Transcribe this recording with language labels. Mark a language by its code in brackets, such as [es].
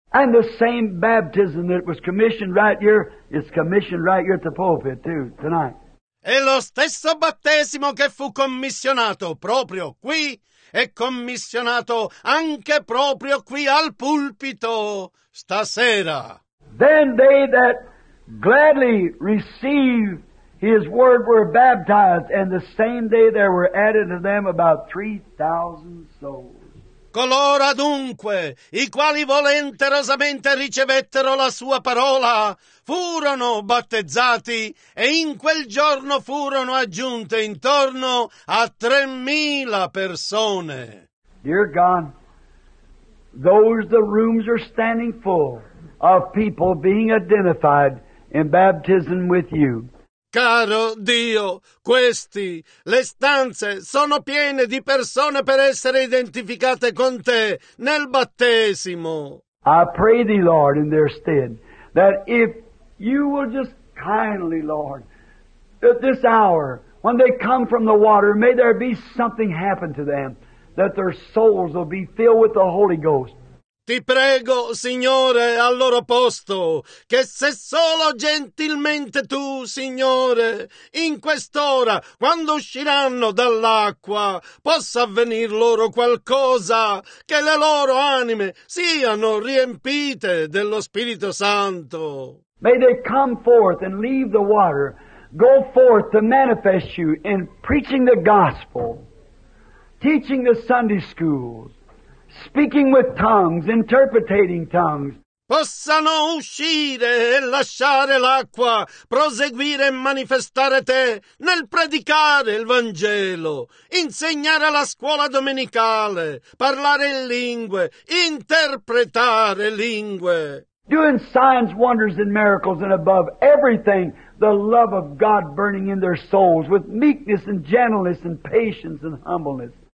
[en] And the same baptism that was commissioned right here is commissioned right here at the pulpit too, tonight. [it] E lo stesso battesimo che fu commissionato proprio qui è commissionato anche proprio qui al pulpito stasera. [en] Then they that gladly receive his word were baptized, and the same day there were added to them about 3,000 souls. [it] Coloro dunque, i quali volenterosamente ricevettero la sua parola, furono battezzati e in quel giorno furono aggiunte intorno a 3,000 persone. [en] Dear God, those the rooms are standing full of people being identified in baptism with you. [it] Caro Dio, questi, le stanze sono piene di persone per essere identificate con te nel battesimo. [en] I pray thee, Lord, in their stead, that if you will just kindly, Lord, at this hour, when they come from the water, may there be something happen to them, that their souls will be filled with the Holy Ghost. [it] Ti prego, Signore, al loro posto, che se solo gentilmente Tu, Signore, in quest'ora, quando usciranno dall'acqua, possa avvenir loro qualcosa, che le loro anime siano riempite dello Spirito Santo. [en] May they come forth and leave the water, go forth to manifest You in preaching the gospel, teaching the Sunday schools, speaking with tongues, interpreting tongues. [it] Possano uscire e lasciare l'acqua, proseguire e manifestare te nel predicare il Vangelo, insegnare la scuola domenicale, parlare in lingue, interpretare lingue. [en] Doing signs, wonders and miracles and above everything, the love of God burning in their souls with meekness and gentleness and patience and humbleness.